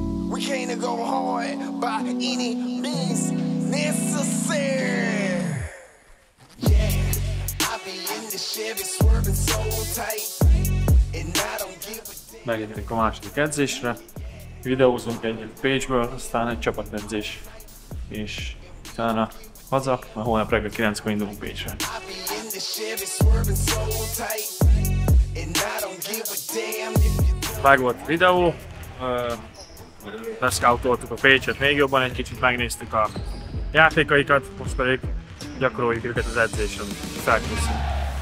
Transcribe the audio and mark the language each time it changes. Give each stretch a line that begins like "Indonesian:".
English: We can't go hard by any means necessary. Yeah, I be in the Chevy swerving so tight. And I don't give a damn.
Hungarian: Megjöttünk a második edzésre. Videózunk egyet Pécsből, aztán egy csapatedzés. És utána haza, a holnap reggel 9-kor indulunk Pécsre.
English: I be in the Chevy swerving so tight. And I don't give a damn if you don't.
Hungarian: Meg volt a videó. Leszkáutoltuk a Pécset még jobban, egy kicsit megnéztük a játékaikat, most pedig gyakoroljuk őket az edzésen. Felkészülünk.